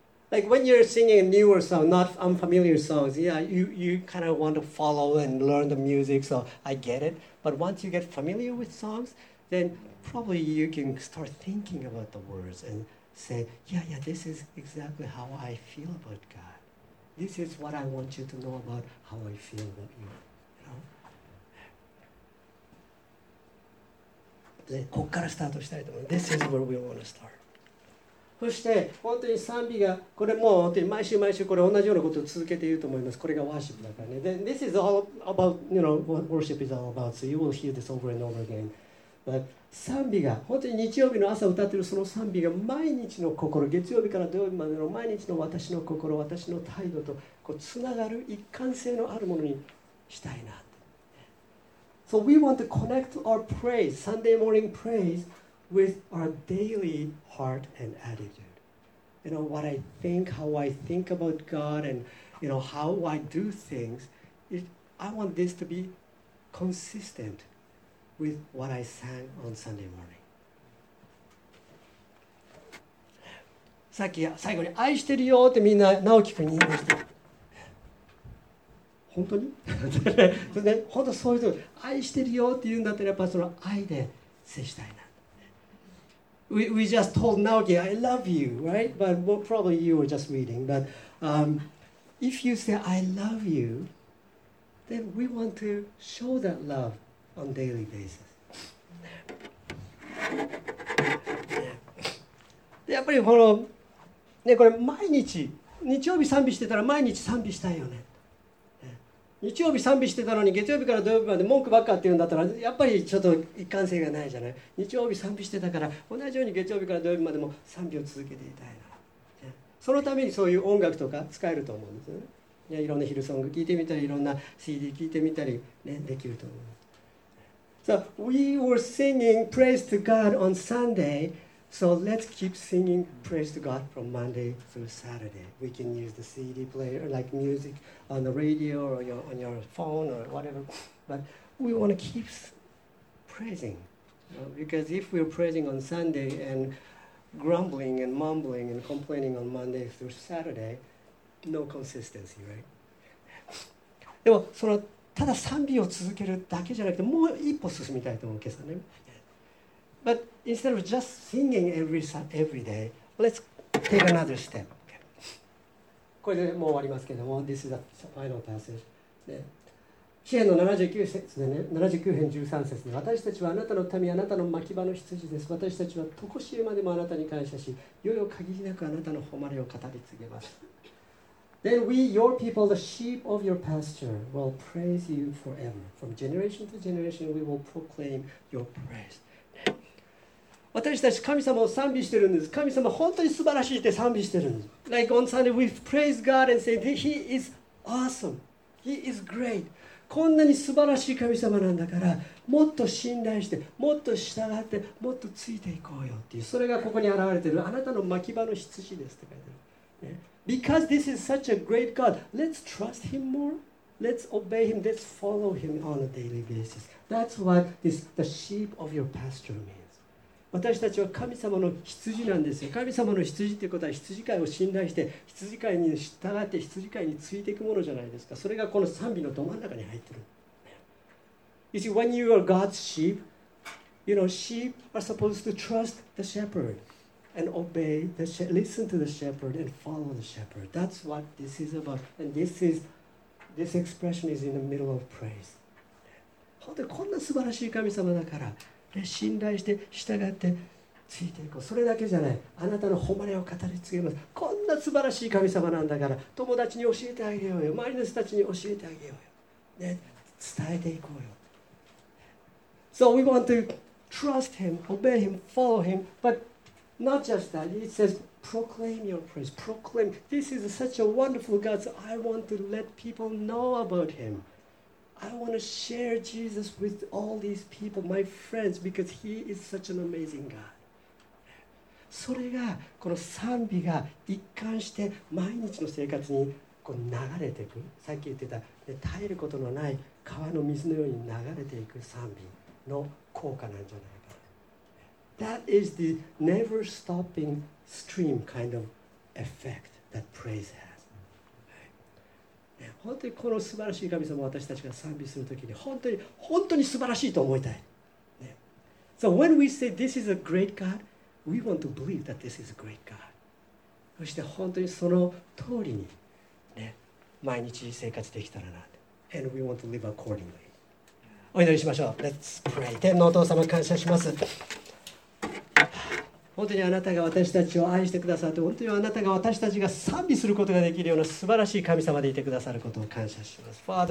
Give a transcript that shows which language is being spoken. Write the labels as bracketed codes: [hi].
[en] Like when you're singing a newer song, not unfamiliar songs, yeah, you kind of want to follow and learn the music, so I get it. But once you get familiar with songsThen probably you can start thinking about the words and say, yeah, yeah, this is exactly how I feel about God. This is what I want you to know about how I feel about you. You know? [ja] ここからスタートしたいと思います。 [en] This is where we want to start. [ja] そして本当に賛美が、これもう本当に毎週毎週これ同じようなことを続けていると思います。これがワーシップだからね。 [en] Then this is all about, you know, what worship is all about. So you will hear this over and over again. [ja] 賛美が本当に日曜日の朝歌っているその賛美が毎日の心、月曜日から土曜日までの毎日の私の心、私の態度とこうつながる一貫性のあるものにしたいな。 [en] So we want to connect our praise, Sunday morning praise, with our daily heart and attitude. You know, what I think, how I think about God, and you know, how I do things, I want this to be consistent with what I sang on Sunday morning. [ja] さっき最後に愛してるよってみんな直樹くんに言いました。本当に？それで、ね、本当そういう人愛してるよって言うんだったらやっぱその愛で接したいな。 [en] We just told Naoki, I love you, right? But well, probably you were just reading. But if you say, I love you, then we want to show that love on a daily basis. [ja] やっぱりこの、ね、これ毎日、日曜日賛美してたら毎日賛美したいよね。日曜日賛美してたのに月曜日から土曜日まで文句ばっかって言うんだったらやっぱりちょっと一貫性がないじゃない。日曜日賛美してたから同じように月曜日から土曜日までも賛美を続けていたいな。そのためにそういう音楽とか使えると思うんですよね。いろんなヒルソング聴いてみたりいろんな CD 聴いてみたり、ね、できると思う。 [en] So we were singing praise to God on Sunday, so let's keep singing praise to God from Monday through Saturday. We can use the CD player like musicon the radio or on your phone or whatever, but we want to keep praising, you know? Because if we're praising on Sunday and grumbling and mumbling and complaining on Monday through Saturday, no consistency, right? [ja] でもそのただ賛美を続けるだけじゃなくてもう一歩進みたいと思う今朝ね。 [en] But instead of just singing every day, let's take another step. [ja] これでもう終わりますけども、 [en] This is the final passage. [ja] で、詩編の79節でね、79編13節で、私たちはあなたの民、あなたの牧場の羊です。私たちは常しえまでもあなたに感謝し、よよ限りなくあなたの誉れを語り継ぎます。 [en] Then we, your people, the sheep of your pasture, will praise you forever. From generation to generation, we will proclaim your praise. [ja] 私たち神様を賛美してるんです。神様本当に素晴らしいって賛美してるんです。 [en] Like on Sunday we praise God and say He is awesome, He is great。 [ja] こんなに素晴らしい神様なんだから、もっと信頼して、もっと従って、もっとついていこうよっていう。それがここに現れてる。あなたの牧場の羊ですって書いてある。 [en] Because this is such a great God, let's trust Him more, let's obey Him, let's follow Him on a daily basis. That's what this the sheep of your pasture means. [ja] 私たちは神様の羊なんですよ。神様の羊ということは羊飼いを信頼して羊飼いに従って羊飼いについていくものじゃないですか。それがこの賛美のど真ん中に入ってる。 [en] You see, when you are God's sheep, you know, sheep are supposed to trust the shepherd and obey the listen to the shepherd and follow the shepherd. That's what this is about. And this expression is in the middle of praise. [ja] 本当にこんな素晴らしい神様だからで信頼して従ってついていこう。それだけじゃない。あなたの誉れを語り継ぎます。こんな素晴らしい神様なんだから、友達に教えてあげようよ。周りの人たちに教えてあげようよ。ね、伝えていこうよ。 [en] So we want to trust him, obey him, follow him, but not just that. It says, proclaim your praise. Proclaim. This is such a wonderful God. So I want to let people know about him. I want to share Jesus with all these people, my friends, because He is such an amazing God. [ja] それがこの賛美が一貫して毎日の生活にこう流れていく。さっき言ってた、ね、耐えることのない川の水のように流れていく賛美の効果なんじゃないか。 [en] That is the never stopping stream kind of effect that praise has. [ja] 本当にこの素晴らしい神様を私たちが賛美するときに本当に本当に素晴らしいと思いたい、ね、 [en] So when we say this is a great God, we want to believe that this is a great God. [ja] そして本当にその通りに、ね、毎日生活できたらなって。 [en] And we want to live accordingly. [ja] お祈りしましょう。 [en] Let's pray. [ja] 天のお父様感謝します。本当にあなたが私たちを愛してくださって、本当にあなたが私たちが賛美することができるような素晴らしい神様でいてくださることを感謝します。